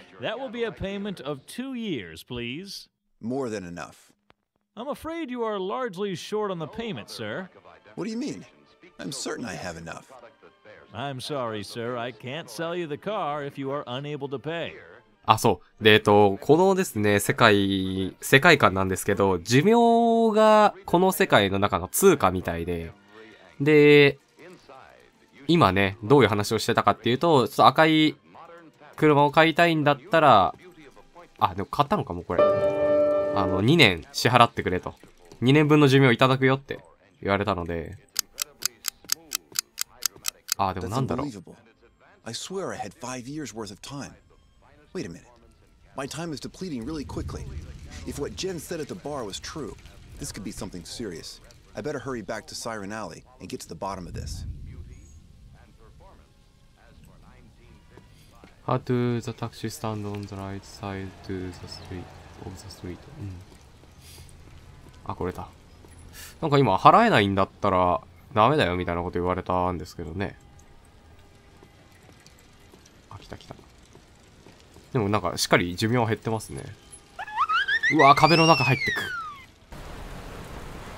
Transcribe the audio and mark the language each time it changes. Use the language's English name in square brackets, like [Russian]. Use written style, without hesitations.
[English] That will be a payment of 2 years, please. More than enough. I'm afraid you are largely short on the payment, sir. What do you mean? I'm certain I have enough. I'm sorry, sir. I can't sell you the car if you are unable to pay. [Japanese] あ、そう。で、このですね、世界観なんですけど、寿命がこの世界の中の通貨みたいで、で、今ね、どういう話をしてたかっていうと、ちょっと赤い車を買いたいんだったら、あ、でも買ったのかも、これ。 2年支払ってくれと。2年分の寿命いただくよって言われたので。あ、でもなんだろう。 [English] Wait a minute. My time is depleting really quickly. If what Jen said at the bar was true, this could be something serious. I better hurry back to Siren Alley and get to the bottom of this. How to the taxi stand on the right side to the street of the street. [Japanese] あ、これだ。なんか今払えないんだったらダメだよみたいなこと言われたんですけどね。あ、来た来た。でもなんかしっかり寿命は減ってますね。うわ、壁の中入ってく。